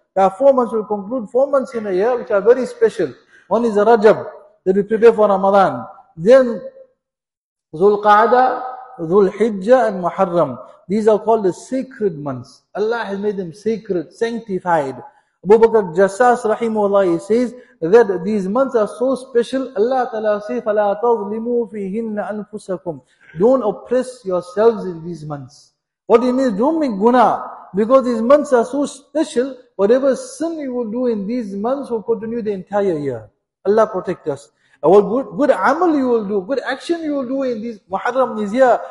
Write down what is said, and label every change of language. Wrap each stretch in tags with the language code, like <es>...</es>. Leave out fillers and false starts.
<en>Our 4 months will conclude, 4 months in a year, which are very special. One is Rajab, that we prepare for Ramadan. Then, Zulqa'dah, Zulhijjah, and Muharram. These are called the sacred months. Allah has made them sacred, sanctified. Abu Bakr Jassas, rahimahullah, he says that these months are so special. Allah Ta'ala says,</en> <ar>فَلَا تَظْلِمُوا فِيهِنَّ أَنفُسَكُمْ.</ar> <en>Don't oppress yourselves in these months. What it means, don't make guna. Because these months are so special, whatever sin you will do in these months will continue the entire year. Allah protect us. And what good amal you will do, good action you will do in these Muharram is here.</en>